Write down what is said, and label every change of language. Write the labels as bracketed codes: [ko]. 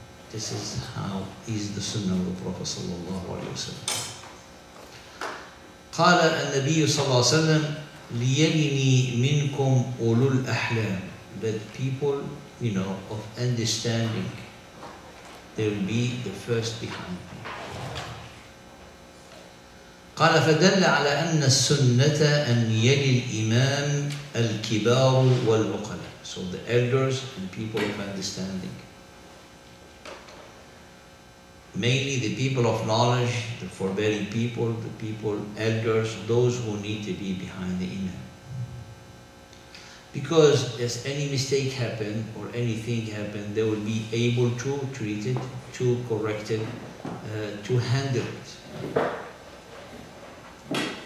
[en] This is how is the sunnah of the Prophet sallallahu alayhi wa sallam. [ar] قَالَ النَّبِيُّ صَلَّى اللَّهُ عَلَيْهِ وَسَلَّمْ لِيَنِنِي مِنْكُمْ أُولُو الْأَحْلَامِ. [en] That people, you know, of understanding, they will be the first behind me. [ar] قال فدل على أن السنة أن يلي الإمام الكبار والعقلاء. [en] So the elders and people of understanding, mainly the people of knowledge, the forbearing people, the people, elders, those who need to be behind the imam. Because if any mistake happened or anything happened, they will be able to treat it, to correct it, to handle it.